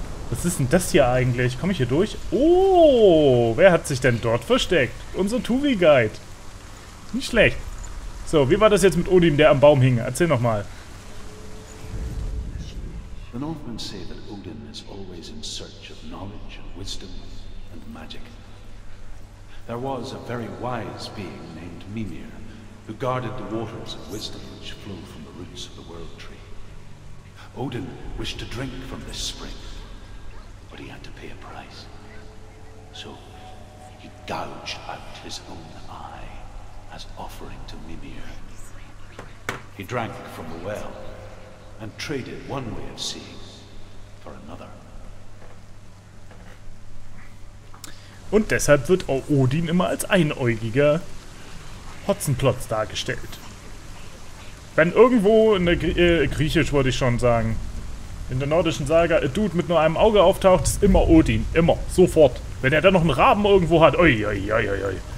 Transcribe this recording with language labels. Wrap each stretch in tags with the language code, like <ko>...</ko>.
<de>Was ist denn das hier eigentlich? Komme ich hier durch? Oh, wer hat sich denn dort versteckt? Unser Tuvi-Guide. Nicht schlecht. So, wie war das jetzt mit Odin, der am Baum hing? Erzähl nochmal.</de> <en>The Northmen say that Odin is always in search of knowledge and wisdom and magic. There was a very wise being named Mimir, who guarded the waters of wisdom which flow from the roots of the world tree. Odin wished to drink from this spring, but he had to pay a price. So he gouged out his own eye. As offering to Mimir. He drank from the well and traded one way of seeing for another.</en> <de>Und deshalb wird Odin immer als einäugiger Hotzenplotz dargestellt. Wenn irgendwo in der griechisch wollte ich schon sagen, in der nordischen Saga ein Dude mit nur einem Auge auftaucht, ist immer Odin, immer sofort, wenn er dann noch einen Raben irgendwo hat. Oi, oi, oi, oi, oi.</de>